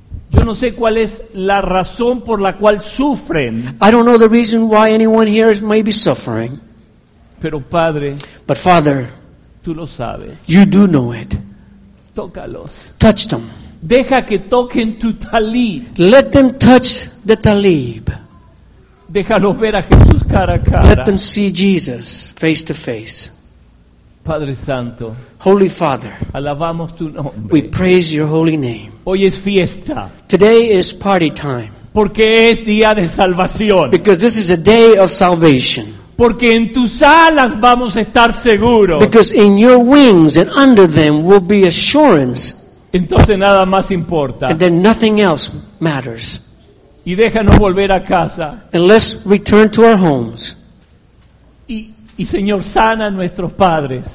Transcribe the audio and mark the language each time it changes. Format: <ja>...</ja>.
<es>Yo no sé cuál es la razón por la cual sufren.</es> <en>I don't know the reason why anyone here is maybe suffering.</en> <es>Pero Padre.</es> <en>But Father.</en> <es>Tú lo sabes.</es> <en>You do know it.</en> <es>Tócalos.</es> <en>Touch them.</en> <es>Deja que toquen tu talib.</es> <en>Let them touch the talib.</en> <es>Déjalos ver a Jesús cara a cara.</es> <en>Let them see Jesus face to face.</en> <es>Padre Santo.</es> <en>Holy Father.</en> <es>Alabamos tu nombre.</es> <en>We praise your holy name.</en> <es>Hoy es fiesta.</es> <en>Today is party time.</en> <es>Porque es día de salvación.</es> <en>Because this is a day of salvation.</en> <es>Porque en tus alas vamos a estar seguros.</es> <en>Because in your wings and under them will be assurance.</en> <es>Entonces nada más importa.</es> <en>And then nothing else matters.</en> <es>Y déjanos volver a casa.</es> <en>And let's return to our homes.</en> <es>Y Señor, sana a nuestros padres.</es>